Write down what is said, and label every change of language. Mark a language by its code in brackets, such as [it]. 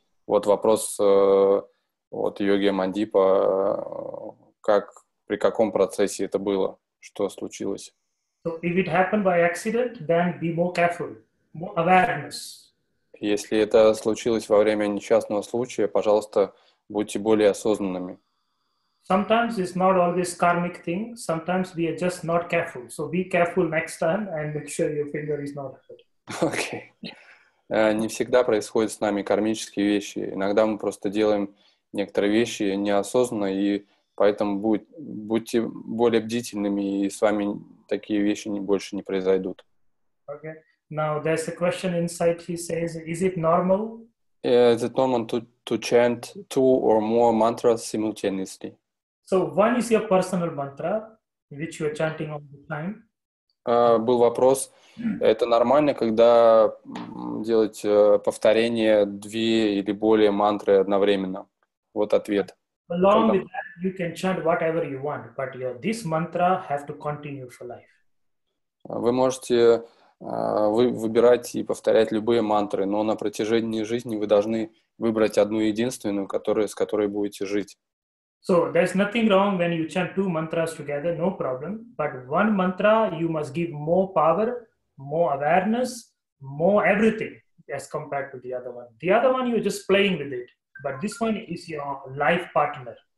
[ru] Вот вопрос от Йоги Мандипа, как, при каком процессе это было, что случилось. [en] So if it happened by accident, then be more careful, more awareness. [ru] Если это случилось во время несчастного случая, пожалуйста, будьте более осознанными. [en] Sometimes it's not always karmic thing. Sometimes we are just not careful. So be careful next time and make sure your finger is not hurt. Okay. [ru] Не всегда происходят с нами кармические вещи. Иногда мы просто делаем некоторые вещи неосознанно, и поэтому будьте более бдительными, и с вами такие вещи больше не произойдут. [en] Okay. Now there's a question inside. He says, is it normal? Is it normal to chant two or more mantras simultaneously? So one is your personal mantra, which you are chanting all the time. [ru] Был вопрос, это нормально, когда делать повторение две или более мантры одновременно? Вот ответ. [en] Along with that, you can chant whatever you want, but your this mantra have to continue for life. [ru] Вы можете выбирать и повторять любые мантры, но на протяжении жизни вы должны выбрать одну единственную, с которой будете жить. [en] So there's nothing wrong when you chant two mantras together, no problem. But one mantra you must give more power, more awareness, more everything as compared to the other one. The other one you're just playing with it, but this one is your life partner.